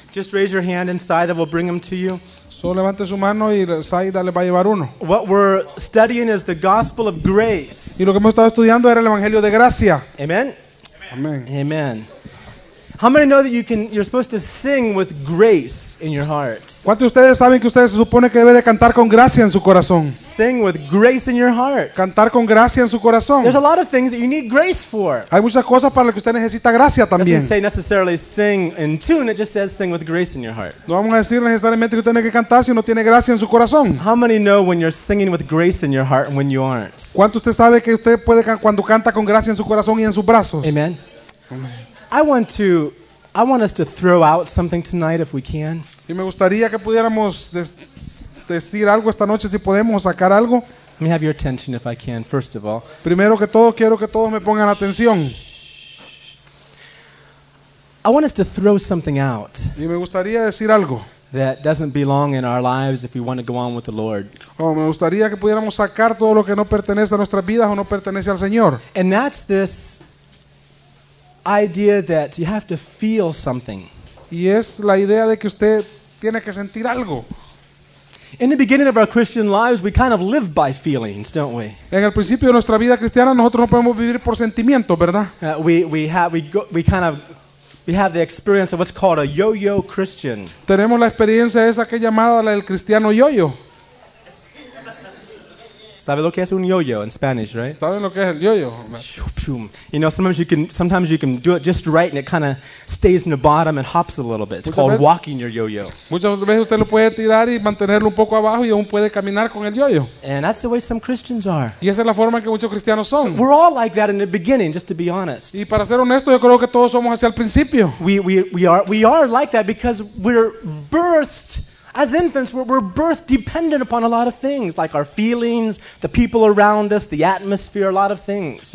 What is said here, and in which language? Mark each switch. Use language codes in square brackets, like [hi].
[en] Just raise your hand inside and we'll bring them to you. [es] Solo levante su mano y Saida le va a llevar uno. [en] What we're studying is the gospel of grace. [es] Y lo que hemos estado estudiando era el evangelio de gracia. [en] Amen. Amen. Amen. How many know that you're supposed to sing with grace in your heart? [es] ¿Cuántos de ustedes saben que ustedes se supone que debe de cantar con gracia en su corazón? [en] Sing with grace in your heart. [es] Cantar con gracia en su corazón. [en] There's a lot of things that you need grace for. [es] Hay muchas cosas para las que usted necesita gracia también. [en] Doesn't say necessarily sing in tune, it just says sing with grace in your heart. [es] No vamos a decir necesariamente que usted tiene que cantar si no tiene gracia en su corazón. [en] How many know when you're singing with grace in your heart and when you aren't? [es] ¿Cuántos usted sabe que usted puede cuando canta con gracia en su corazón y en sus brazos? [en] Amen. Amen. I want us to throw out something tonight if we can. [es] Y me gustaría que pudiéramos decir algo esta noche si podemos sacar algo. [en] Let me have your attention if I can, first of all. [es] Primero que todo quiero que todos me pongan atención. [en] I want us to throw something out. [es] Y me gustaría decir algo. [en] That doesn't belong in our lives if we want to go on with the Lord. [es] Oh, me gustaría que pudiéramos sacar todo lo que no pertenece a nuestras vidas o no pertenece al Señor. [en] And that's this idea that you have to feel something. [es] Y es la idea de que usted tiene que sentir algo. [en] In the beginning of our Christian lives, we kind of live by feelings, don't we? [es] En el principio de nuestra vida cristiana, nosotros no podemos vivir por sentimientos, ¿verdad? [en] We have the experience of what's called a yo-yo Christian. [es] Tenemos la experiencia esa que llamada el cristiano yo-yo. ¿Sabe lo que es un yo-yo [en] in Spanish, right? [es] ¿Saben lo que es el yo-yo? [en] You know, sometimes you can do it just right and it kind of stays in the bottom and hops a little bit. It's called walking your yo-yo. [es] Muchas veces usted lo puede tirar y mantenerlo un poco abajo y aún puede caminar con el yo-yo. [en] And that's the way some Christians are. [es] Y esa es la forma que muchos cristianos son. [en] We're all like that in the beginning, just to be honest. [es] Y para ser honesto, yo creo que todos somos así al principio. [en] We are like that because we're birthed. As infants, we're birth dependent upon a lot of things, like our feelings, the people around us, the atmosphere, a lot of things.